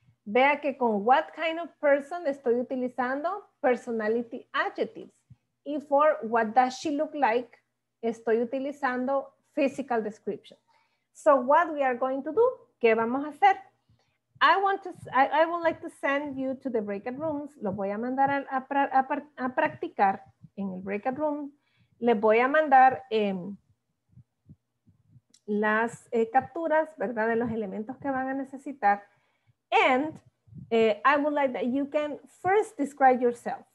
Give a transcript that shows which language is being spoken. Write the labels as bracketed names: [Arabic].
[Spanish] Vea que con [English] what kind of person [Spanish] estoy utilizando personality adjectives. Y for [English] what does she look like, [Spanish] estoy utilizando physical description. [English] So what we are going to do, [Spanish] ¿qué vamos a hacer? [English] I would like to send you to the breakout rooms. [Spanish] Lo voy a mandar a practicar en el breakout room. Le voy a mandar las capturas, ¿verdad? De los elementos que van a necesitar. [English] And I would like that you can first describe yourself.